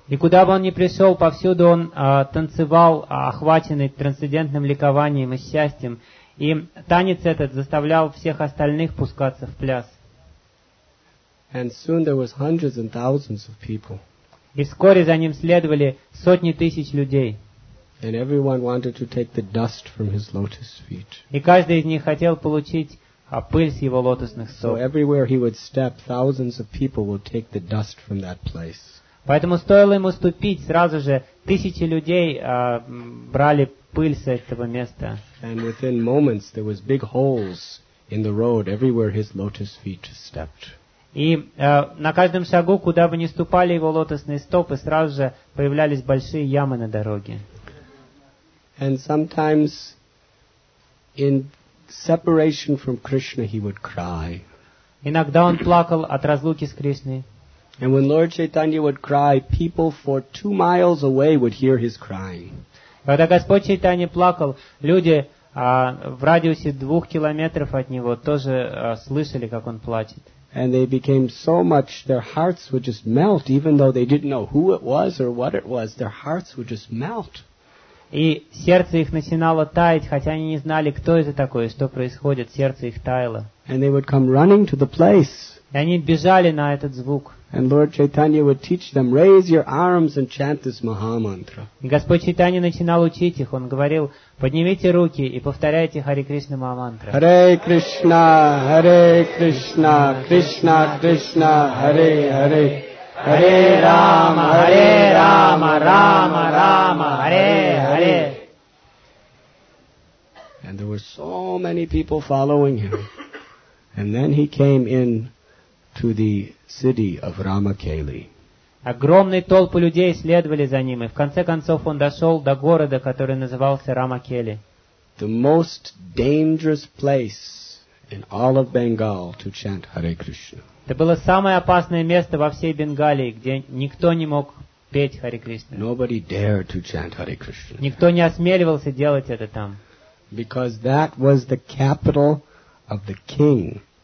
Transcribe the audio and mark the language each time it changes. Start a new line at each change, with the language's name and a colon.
Russian: И куда бы он ни пришел, повсюду он танцевал, охваченный трансцендентным ликованием и счастьем. И танец этот заставлял всех остальных пускаться в пляс.
English: And soon there was hundreds and thousands of people.
Russian: И вскоре за ним следовали сотни тысяч людей.
English: And everyone wanted to take the dust from his lotus feet.
Russian: И каждый из них хотел получить пыль с его лотосных стоп.
English: So everywhere he would step, thousands of people would take the dust from that place.
Russian: Поэтому стоило ему ступить, сразу же тысячи людей брали пыль с этого места.
English: And within moments there was big holes in the road everywhere his lotus feet stepped.
Russian: И на каждом шагу, куда бы ни ступали его лотосные стопы, сразу же появлялись большие ямы на дороге.
English: And sometimes in separation from Krishna, he would cry.
Russian: Иногда он плакал от разлуки с Кришной.
English: And when Lord Chaitanya would cry, people for 2 miles away would hear his crying.
Russian: Когда Господь Чайтанья плакал, люди в радиусе 2 километров от него тоже слышали, как он плачет.
English: And they became so much, their hearts would just melt, even though they didn't know who it was or what it was, their hearts would just melt.
Russian: И сердце их начинало таять, хотя они не знали, кто это такое, что происходит, сердце их таяло.
English: And they would come running to the place.
Russian: И они бежали на этот звук.
English: And Lord Chaitanya would teach them, raise your arms and chant this Maha Mantra.
Russian: Господь Чайтанья начинал учить их. Он говорил, поднимите руки и повторяйте Хари Кришна Маха Мантра.
Sanskrit: Hare Krishna, Hare Krishna, Krishna Krishna, Hare Hare. Hare Rama, Hare Rama, Rama Rama, Hare Hare.
English: And there were so many people following him. And then he came in to the city of Ramakeli.
Russian: Огромные толпы людей следовали за ним, и в конце концов он дошел до города, который назывался Рамакели.
English: The most dangerous place in all of Bengal to chant Hare Krishna.
Russian: Это было самое опасное место во всей Бенгалии, где никто не мог петь Hare Krishna.
English: Nobody dared to chant Hare Krishna.
Russian: Никто не осмеливался делать это там.
English: Because that was the capital of the king.